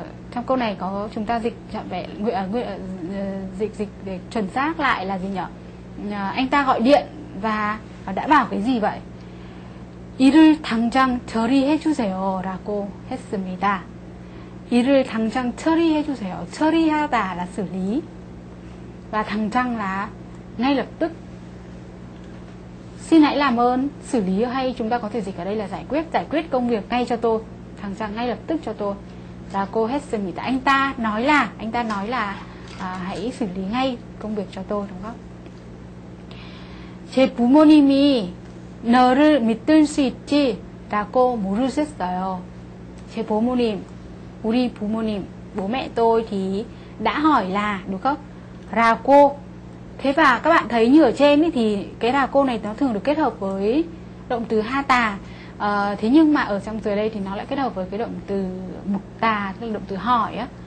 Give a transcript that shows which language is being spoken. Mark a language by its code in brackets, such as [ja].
[vi] Trong câu này có chúng ta dịch trọn vẹn dịch để chuẩn xác lại là gì nhỉ? Anh ta gọi điện và đã bảo cái gì vậy? [ko] 일을 당장 처리해 주세요라고 했습니다. 일을 당장 처리해 주세요. [vi] 처리하다 là xử lý. Và 당장 là ngay lập tức. Xin hãy làm ơn xử lý, hay chúng ta có thể dịch ở đây là giải quyết công việc ngay cho tôi. 당장 ngay lập tức cho tôi. [ko] 라고 했습니다. [vi] Anh ta nói là hãy xử lý ngay công việc cho tôi, đúng không? [ko] 제 부모님이 너를 믿을 수 있지라고 물으셨어요. 제 부모님, 우리 부모님, [vi] bố mẹ tôi thì đã hỏi là, đúng không? [ko] 라고. [vi] Thế và các bạn thấy như ở trên ấy thì cái 라고 này nó thường được kết hợp với động từ 하다. Thế nhưng mà ở trong dưới đây thì nó lại kết hợp với cái động từ 묻다, tức là động từ hỏi á.